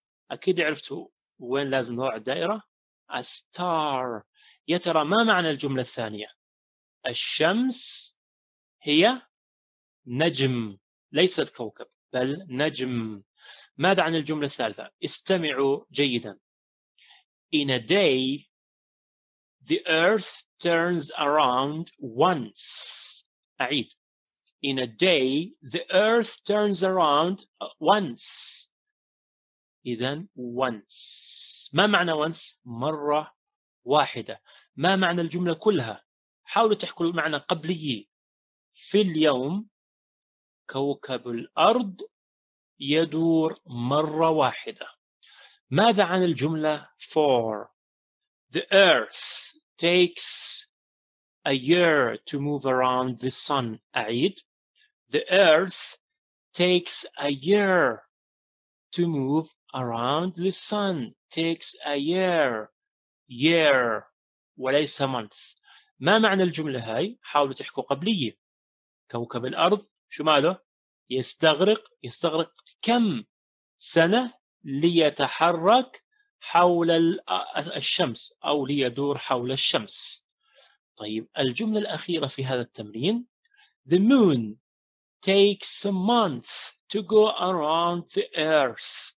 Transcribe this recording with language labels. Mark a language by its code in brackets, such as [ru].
[ar] أكيد عرفتوا وين لازم نوع الدائرة. [en] A star. [ar] يا ترى ما معنى الجملة الثانية؟ الشمس هي نجم، ليست كوكب بل نجم. ماذا عن الجملة الثالثة؟ استمعوا جيدا. [en] In a day, the earth turns around once. [ar] أعيد. [en] In a day, the earth turns around once. [ar] إذن once. ما معنى once؟ مرة واحدة. ما معنى الجملة كلها؟ حاولوا تحكوا المعنى قبلي. في اليوم كوكب الأرض يدور مرة واحدة. ماذا عن الجملة 4؟ [en] The earth takes a year to move around the sun. [ar] أعيد. [en] The earth takes a year to move around the sun. Takes a year. Year وليس month. [ar] ما معنى الجملة هاي؟ حاولوا تحكوا قبلية. كوكب الأرض شو ماله؟ يستغرق كم سنة ليتحرك حول الشمس أو ليدور حول الشمس؟ طيب الجملة الأخيرة في هذا التمرين: [en] The moon takes a month to go around the earth.